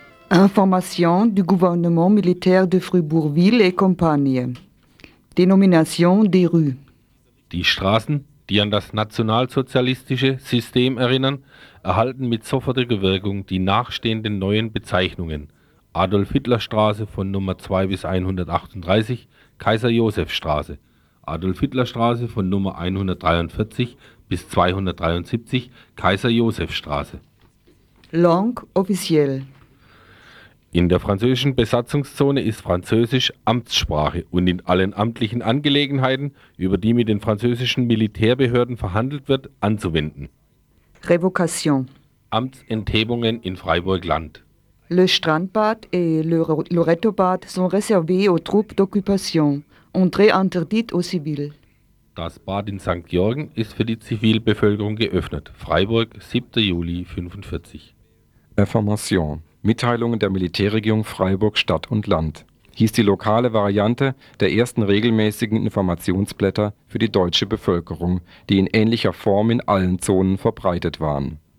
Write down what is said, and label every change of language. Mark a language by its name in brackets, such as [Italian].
[French] Information du gouvernement militaire de Fribourg-Ville et compagnie. Dénomination des rues. [German] Die Straßen, die an das nationalsozialistische System erinnern, erhalten mit sofortiger Wirkung die nachstehenden neuen Bezeichnungen. Adolf-Hitler-Straße von Nummer 2 bis 138, Kaiser-Josef-Straße. Adolf-Hitler-Straße von Nummer 143 bis 273, Kaiser-Josef-Straße. [French] Langue officielle. [German] In der französischen Besatzungszone ist Französisch Amtssprache und in allen amtlichen Angelegenheiten, über die mit den französischen Militärbehörden verhandelt wird, anzuwenden. [French] Révocation. [German] Amtsenthebungen in Freiburg-Land. [French] Le Strandbad et le Lorettobad sont réservés aux troupes d'occupation. Entrée interdite aux civils. [German] Das Bad in St. Georgen ist für die Zivilbevölkerung geöffnet. Freiburg, 7. Juli 1945. [French] Information. [German] Mitteilungen der Militärregierung Freiburg Stadt und Land. Hieß die lokale Variante der ersten regelmäßigen Informationsblätter für die deutsche Bevölkerung, die in ähnlicher Form in allen Zonen verbreitet waren.